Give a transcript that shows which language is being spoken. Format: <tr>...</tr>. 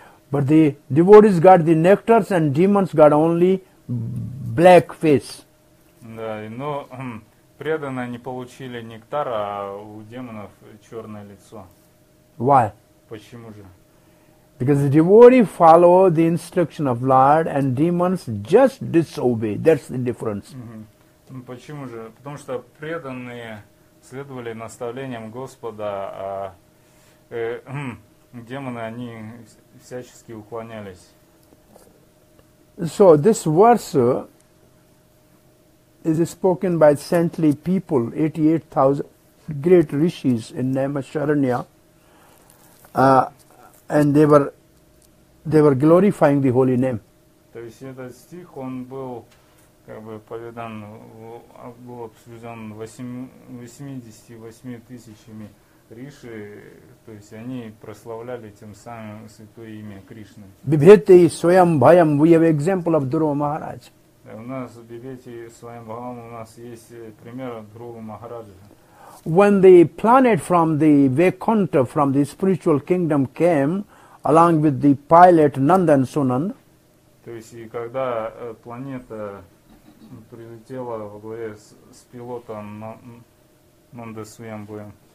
<en>But the devotees got the nectars and demons got only black face.</en> <ru>Да, но преданные не получили нектар, а у демонов черное лицо.</ru> <en>Why?</en> <ru>Почему же?</ru> <en>Because the devotee follow the instruction of Lord and demons just disobey. That's the difference.</en> <ru>Ну, почему же? Потому что преданные следовали наставлениям Господа, а демоны, они всячески уклонялись.</ru> <en>So this verse is spoken by saintly people, 88,000 great rishis in Naimasharanya, and they were glorifying the holy name.</en> <ru>То есть этот стих, он был как бы поведан, был обсужден 88 тысячами риши, то есть они прославляли тем самым святое имя Кришны.</ru> <en>Бибхети Свайам Бхаям, we have example of Дхрува Махараджа.</en> <ru>У нас в Бибхети Свайам Бхаям у нас есть пример Дхрува Махараджа.</ru> <en>When the planet from the Vaikuntha, from the spiritual kingdom came, along with the pilot Nanda and Sunanda.</en> <ru>То есть, и когда планета прилетела во главе с пилотом Нанда Свайамбхуем.</ru>